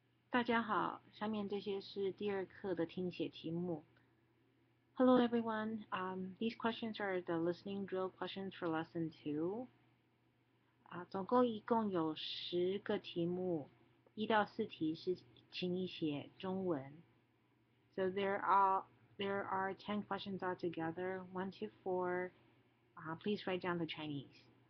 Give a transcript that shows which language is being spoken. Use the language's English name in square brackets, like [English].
[Chinese] 大家好，下面这些是第二课的听写题目。 [English] Hello everyone, these questions are the listening drill questions for lesson two. [Chinese] 总共一共有十个题目，一到四题是请你写中文。 [English] So there are 10 questions altogether, 1 to 4, please write down the Chinese.